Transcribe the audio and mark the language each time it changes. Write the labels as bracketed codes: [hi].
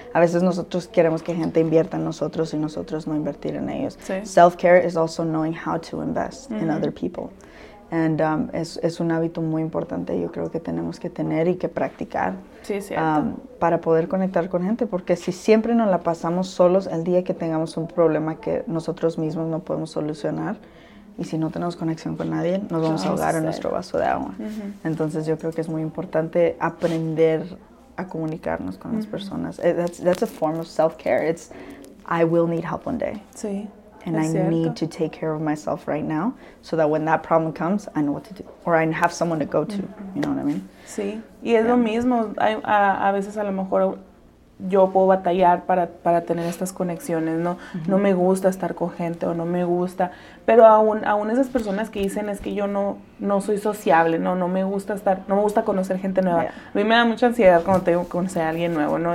[es] A veces nosotros queremos que gente invierta en nosotros y nosotros no invertir en ellos. Sí. [en] Self-care is also knowing how to invest mm-hmm. in other people. [es] And es un hábito muy importante, yo creo que tenemos que tener y que practicar. Sí, cierto. Para poder conectar con gente, porque si siempre nos la pasamos solos, el día que tengamos un problema que nosotros mismos no podemos solucionar, y si no tenemos conexión con nadie, nos vamos a ahogar en nuestro vaso de agua. Uh-huh. Entonces yo creo que es muy importante aprender a comunicarnos con uh-huh. las personas. [en] That's a form of self-care. It's, I will need help one day. [es] Sí. [en] And [es] es [en] I [es] cierto. [en] Need to take care of myself right now so that when that problem comes, I know what to do. Or I have someone to go to. Mm-hmm. You know what I mean? [es] Sí. Y es lo mismo. A veces a lo mejor yo puedo batallar para tener estas conexiones, ¿no? Mm-hmm. No me gusta estar con gente o no me gusta. Pero aún esas personas que dicen es que yo no soy sociable, ¿no? No me gusta estar, no me gusta conocer gente nueva. Yeah. A mí me da mucha ansiedad cuando tengo que conocer a alguien nuevo, ¿no?